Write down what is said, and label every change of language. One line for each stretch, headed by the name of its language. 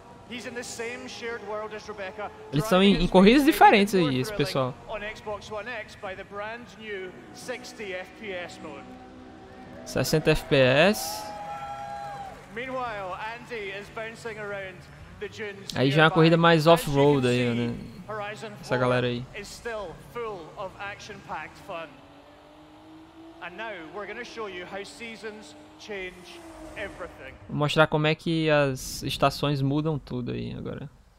English: He's in the same shared world as Rebecca.
Portuguese: Eles estão em corridas diferentes aí, esse pessoal.
English: On Xbox One X by the brand new 60 FPS mode. 60 FPS. Meanwhile, Andy is bouncing around the dunes.
Portuguese: Aí já é uma corrida mais off-road aí, né? Essa galera aí.
English: Is still full of action-packed fun. And now we're going to show you how seasons change everything.
Portuguese: Vou mostrar como é que as estações mudam tudo aí agora.